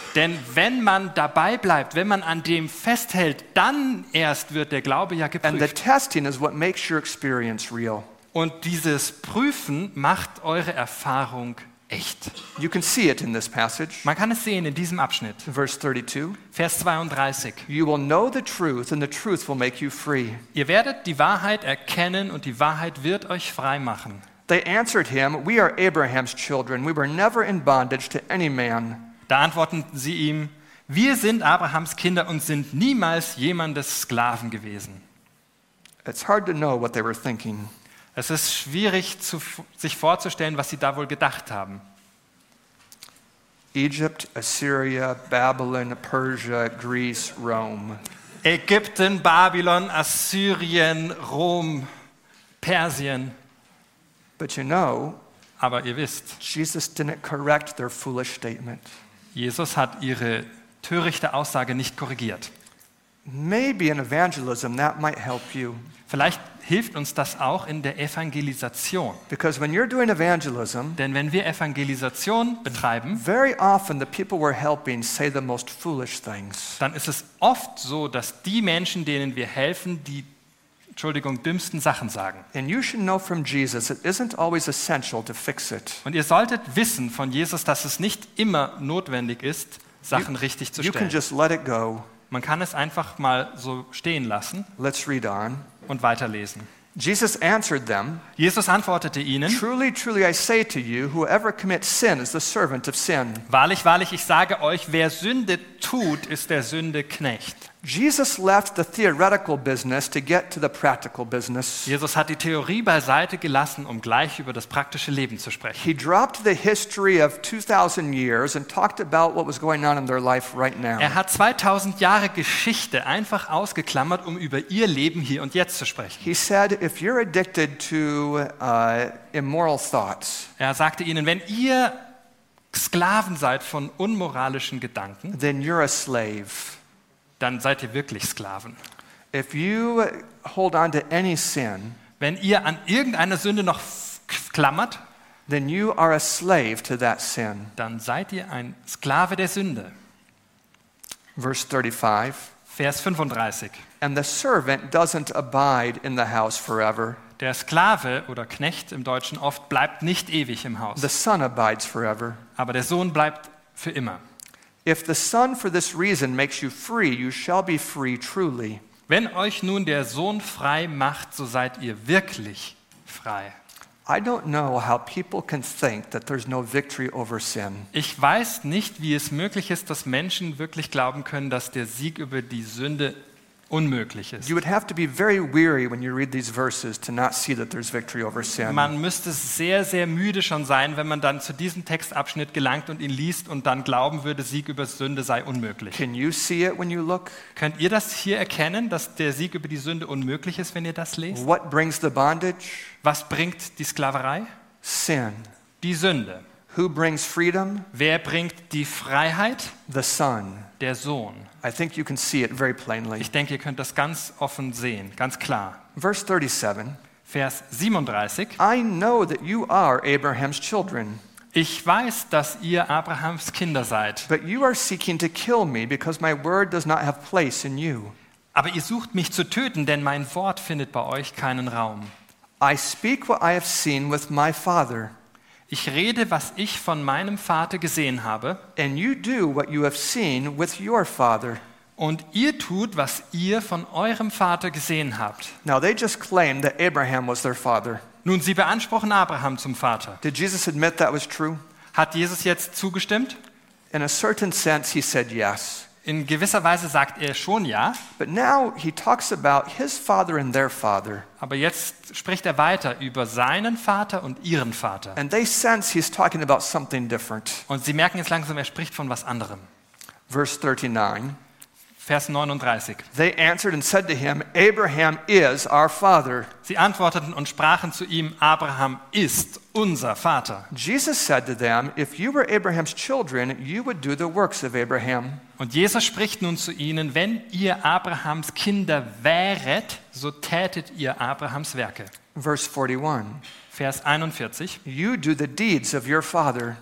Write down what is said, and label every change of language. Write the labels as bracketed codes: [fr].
[de] Denn wenn man dabei bleibt, wenn man an dem festhält, dann erst wird der Glaube ja geprüft. [en] And the testing is what makes your experience real. [de] Und dieses Prüfen macht eure Erfahrung echt. [en] You can see it in this passage. [de] Man kann es sehen in diesem Abschnitt. [en] Verse 32. [de] Vers 32. [en] You will know the truth and the truth will make you free. [de] Ihr werdet die Wahrheit erkennen und die Wahrheit wird euch frei machen. [en] They answered him, "We are Abraham's children. We were never in bondage to any man." [de] Da antworten sie ihm, "Wir sind Abrahams Kinder und sind niemals jemandes Sklaven gewesen." [en] It's hard to know what they were thinking. [de] Es ist schwierig, sich vorzustellen, was sie da wohl gedacht haben. [en] Egypt, Assyria, Babylon, Persia, Greece, Rome. [de] Ägypten, Babylon, Assyrien, Rom, Persien. [en] But you know, [de] aber ihr wisst, [en] Jesus didn't correct their foolish statement. [de] Jesus hat ihre törichte Aussage nicht korrigiert. [en] Maybe in evangelism that might help you. [de] Vielleicht hilft uns das auch in der Evangelisation. [en] Because when you're doing evangelism, [de] denn wenn wir Evangelisation betreiben, [en] very often the people we're helping say the most foolish things. [de] Dann ist es oft so, dass die Menschen, denen wir helfen, die dümmsten Sachen sagen. [en] And you should know from Jesus, it isn't always essential to fix it. [de] Und ihr solltet wissen von Jesus, dass es nicht immer notwendig ist, Sachen richtig zu stellen. [en] You can just let it go. [de] Man kann es einfach mal so stehen lassen. [en] Let's read on. [de] Und weiterlesen. [en] Jesus answered them. [de] Jesus antwortete ihnen. [en] Truly, truly, I say to you, whoever commits sin is the servant of sin. [de] Wahrlich, wahrlich, ich sage euch, wer Sünde tut, ist der Sünde Knecht. [en] Jesus left the theoretical business to get to the practical business. [de] Jesus hat die Theorie beiseite gelassen, um gleich über das praktische Leben zu sprechen. [en] He dropped the history of 2000 years and talked about what was going on in their life right now. [de] Er hat 2000 Jahre Geschichte einfach ausgeklammert, um über ihr Leben hier und jetzt zu sprechen. [en] He said, if you're addicted to immoral thoughts. [de] Er sagte ihnen, wenn ihr Sklaven seid von unmoralischen Gedanken, [en] then you're a slave. [de] Dann seid ihr wirklich Sklaven. [en] If you hold on to any sin, [de] wenn ihr an irgendeiner Sünde noch klammert, [en] then you are a slave to that sin. [de] Dann seid ihr ein Sklave der Sünde. [en] Verse 35. [de] Vers 35. [en] And the servant doesn't abide in the house forever. [de] Der Sklave oder Knecht im Deutschen oft bleibt nicht ewig im Haus. [en] The son abides forever. [de] Aber der Sohn bleibt für immer. [en] If the Son for this reason makes you free, you shall be free truly. [de] Wenn euch nun der Sohn frei macht, so seid ihr wirklich frei. [en] I don't know how people can think that there's no victory over sin. [de] Ich weiß nicht, wie es möglich ist, dass Menschen wirklich glauben können, dass der Sieg über die Sünde unmöglich ist. [en] You would have to be very weary when you read these verses to not see that there's victory over sin. [de] Man müsste sehr, sehr müde schon sein, wenn man dann zu diesem Textabschnitt gelangt und ihn liest und dann glauben würde, Sieg über Sünde sei unmöglich. [en] Can you see it when you look? [de] Könnt ihr das hier erkennen, dass der Sieg über die Sünde unmöglich ist, wenn ihr das lest? [en] What brings the bondage? [de] Was bringt die Sklaverei? [en] Sin. [de] Die Sünde. [en] Who brings freedom? [de] Wer bringt die Freiheit? [en] The Son. [de] Der Sohn. [en] I think you can see it very plainly. [de] Ich denke, ihr könnt das ganz offen sehen, ganz klar. [en] Verse 37. [de] Vers 37. [en] I know that you are Abraham's children. [de] Ich weiß, dass ihr Abrahams Kinder seid. [en] But you are seeking to kill me because my word does not have place in you. [de] Aber ihr sucht mich zu töten, denn mein Wort findet bei euch keinen Raum. [en] I speak what I have seen with my father. [de] Ich rede, was ich von meinem Vater gesehen habe. [en] And you do what you have seen with your father. [de] Und ihr tut, was ihr von eurem Vater gesehen habt. [en] Now they just claim that Abraham was their father. [de] Nun, sie beanspruchen Abraham zum Vater. [en] Did Jesus admit that was true? [de] Hat Jesus jetzt zugestimmt? [en] In a certain sense he said yes. [de] In gewisser Weise sagt er schon ja. [en] But now he talks about his father and their father. [de] Aber jetzt spricht er weiter über seinen Vater und ihren Vater. [en] And they sense he's talking about something different. [de] Und sie merken jetzt langsam, er spricht von was anderem. [en] Verse 39. [de] Vers 39. [en] They answered and said to him, Abraham is our father. [de] Sie antworteten und sprachen zu ihm, Abraham ist unser Vater. [en] Jesus said to them, if you were Abraham's children, you would do the works of Abraham. [de] Und Jesus spricht nun zu ihnen, wenn ihr Abrahams Kinder wäret, so tätet ihr Abrahams Werke. [en] Verse 41. [de] Vers 41. [en] You do the deeds of your father.